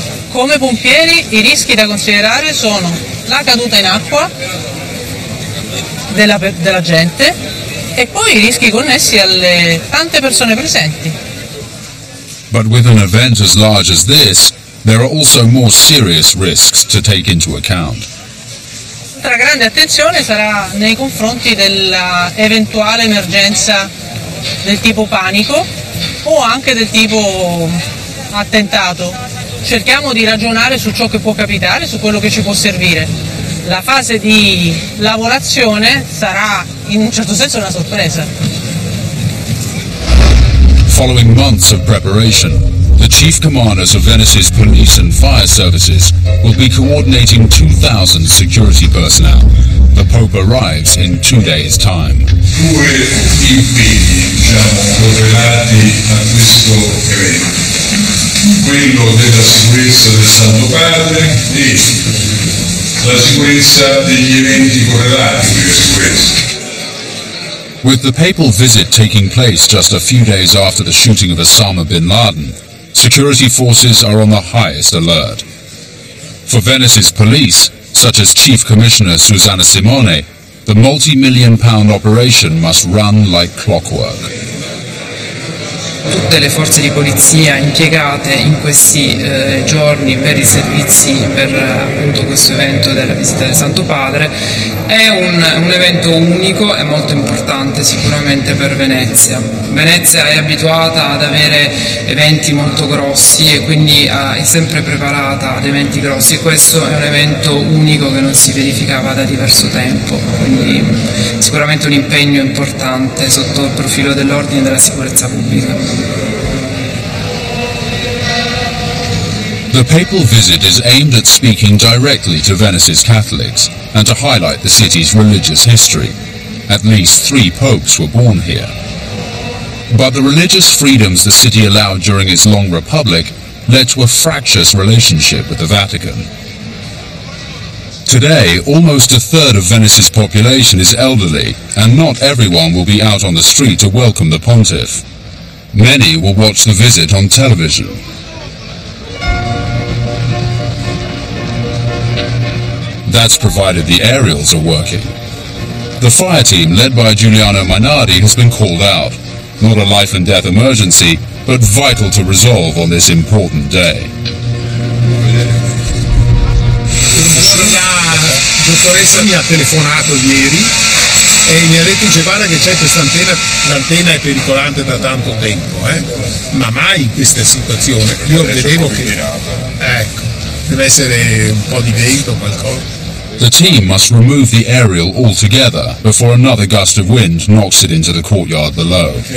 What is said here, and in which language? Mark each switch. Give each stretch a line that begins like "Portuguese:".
Italian: Come pompieri, i rischi da considerare sono la caduta in acqua della gente e poi i rischi connessi alle tante persone presenti.
English: But with an event as large as this, there are also more serious risks to take into account.
Italian: Un'altra grande attenzione sarà nei confronti della eventuale emergenza del tipo panico o anche del tipo attentato. Cerchiamo di ragionare su ciò che può capitare, su quello che ci può servire. La fase di lavorazione sarà in un certo senso una sorpresa.
English: Following months of preparation, the chief commanders of Venice's police and fire services will be coordinating 2,000 security personnel. The Pope arrives in 2 days' time.
Italian: Due impegni, diciamo, correlati a questo evento. Quello della sicurezza del Santo Padre e la sicurezza degli eventi correlati di sicurezza.
English: With the papal visit taking place just a few days after the shooting of Osama bin Laden, security forces are on the highest alert. For Venice's police, such as Chief Commissioner Susanna Simone, The multi-million pound operation must run like clockwork.
Italian: Tutte le forze di polizia impiegate in questi giorni per i servizi, per appunto questo evento della visita del Santo Padre, è un evento unico e molto importante sicuramente per Venezia. Venezia è abituata ad avere eventi molto grossi e quindi è sempre preparata ad eventi grossi, e questo è un evento unico che non si verificava da diverso tempo, quindi sicuramente un impegno importante sotto il profilo dell'ordine e della sicurezza pubblica.
English: The papal visit is aimed at speaking directly to Venice's Catholics and to highlight the city's religious history. At least three popes were born here. But the religious freedoms the city allowed during its long republic led to a fractious relationship with the Vatican. Today, almost a third of Venice's population is elderly, and not everyone will be out on the street to welcome the pontiff. Many will watch the visit on television. That's provided the aerials are working. The fire team led by Giuliano Minardi has been called out. Not a life and death emergency, but vital to resolve on this important day.
Italian: La dottoressa mi ha telefonato ieri e mi ha detto: guarda che c'è questa antenna, l'antenna è pericolante da tanto tempo, ma mai in questa situazione. Io vedevo che, ecco, deve essere un po' di vento, qualcosa.
English: The team must remove the aerial altogether before another gust of wind knocks it into the courtyard below.